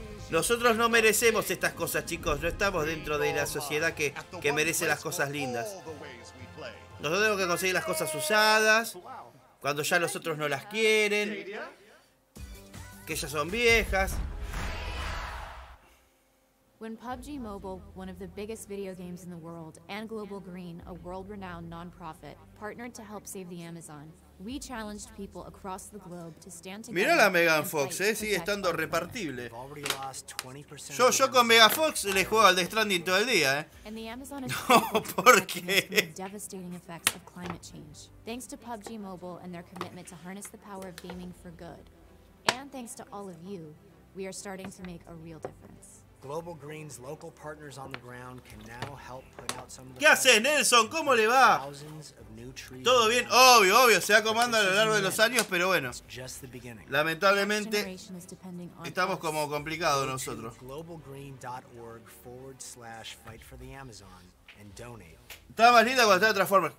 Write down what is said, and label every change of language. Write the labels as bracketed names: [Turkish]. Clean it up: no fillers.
[Spanish] Nosotros no merecemos estas cosas, chicos. No estamos dentro de la sociedad que merece las cosas lindas. Nosotros tenemos que conseguir las cosas usadas, cuando ya los otros no las quieren, que ya son viejas. [English] When PUBG Mobile, one of the biggest video games in the world, and Global Green, a world-renowned nonprofit, partnered to help save the Amazon, we challenged people across the globe to stand together. [Spanish] Mira la Megan Fox, sigue estando repartible. Yo con Megan Fox le juego al Death Stranding todo el día, [English] And the Amazon is [Spanish] no, ¿por qué? [English] Devastating effects of climate change. Thanks to PUBG Mobile and their commitment to harness the power of gaming for good, and thanks to all of you, we are starting to make a real difference. Global Green's local partners on the ground can now help put out some of the. [Spanish] ¿Qué hace Nelson? ¿Cómo le va? Todo bien, obvio, se va comando a lo largo de los años, pero bueno. Lamentablemente, estamos como complicados nosotros. [English] globalgreen.org/fightfortheamazon and donate. [Spanish] Estaba más linda cuando estaba en Transformers.